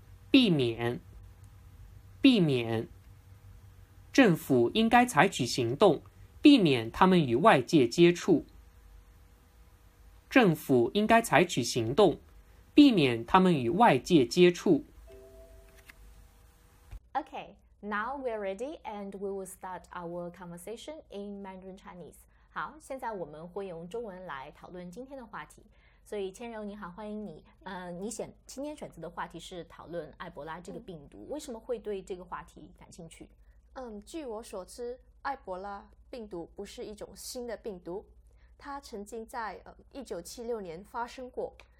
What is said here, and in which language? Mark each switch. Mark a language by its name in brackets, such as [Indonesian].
[Chinese] 避免，避免。政府应该采取行动，避免他们与外界接触。政府应该采取行动，避免他们与外界接触。 [English] Okay, now we're ready and we will start our conversation in Mandarin Chinese. [Chinese] 好，现在我们会用中文来讨论今天的话题。所以千柔你好，欢迎你。你选今天选择的话题是讨论埃博拉这个病毒，为什么会对这个话题感兴趣？据我所知，埃博拉病毒不是一种新的病毒，它曾经在1976年发生过。